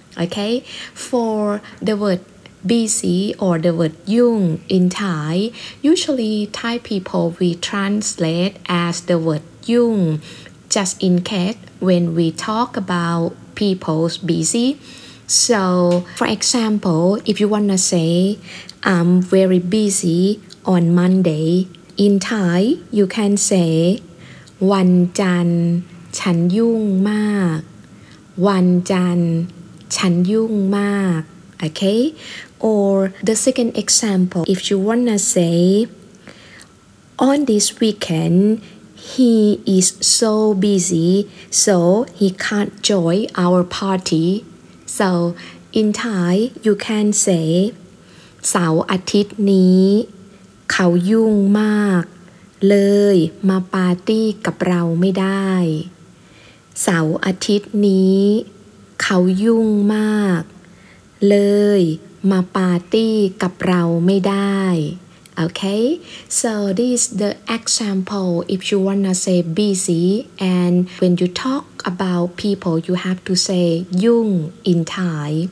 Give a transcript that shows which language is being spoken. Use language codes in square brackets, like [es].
[en] Okay, for the word busy or the word yung in Thai, usually Thai people we translate as the word yung just in case when we talk about people's busy. So for example, if you want to say I'm very busy on Monday, in Thai you can say [th] วันจันทร์ฉันยุ่งมาก วันจันทร์ฉันยุ่งมาก [en] okay? Or the second example, if you wanna say, on this weekend, he is so busy, so he can't join our party. So in Thai, you can say, [th] เสาร์อาทิตย์นี้เขายุ่งมากเลยมาปาร์ตี้กับเราไม่ได้ เสาร์อาทิตย์นี้เขายุ่งมากเลยมาปาร์ตี้กับเราไม่ได้ [en] okay so this is the example if you wanna say busy and when you talk about people you have to say yung in Thai